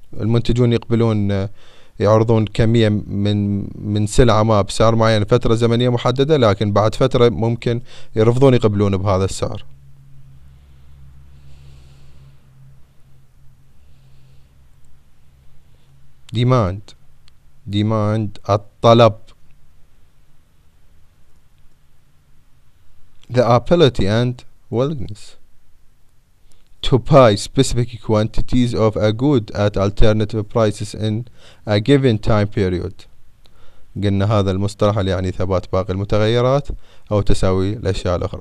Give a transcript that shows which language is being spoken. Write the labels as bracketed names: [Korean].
[Arabic] المنتجون يقبلون يعرضون كمية من سلعة ما بسعر معين فترة زمنية محددة، لكن بعد فترة ممكن يرفضون يقبلون بهذا السعر. demand الطلب. [English] The ability and willingness to buy specific quantities of a good at alternative prices in a given time period. [Arabic] قلنا هذا المصطلح اللي يعني ثبات باقي المتغيرات أو تساوي الأشياء الأخرى.